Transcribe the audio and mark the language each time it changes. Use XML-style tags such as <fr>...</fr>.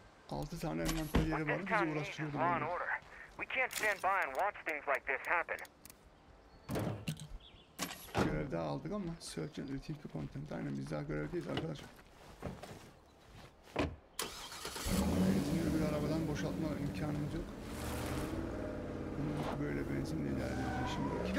<tr>6 tane envanter yeri var, bizi uğraştırıyordu.</tr> <en>We can't stand by and watch things like this happen.</en> <tr>Görev daha aldık ama search and retrieve content. Aynen, biz daha görevdeyiz arkadaşlar. Benzinli bir arabadan boşaltma imkanımız yok. Böyle benzinle ilerliyor şimdi.</tr>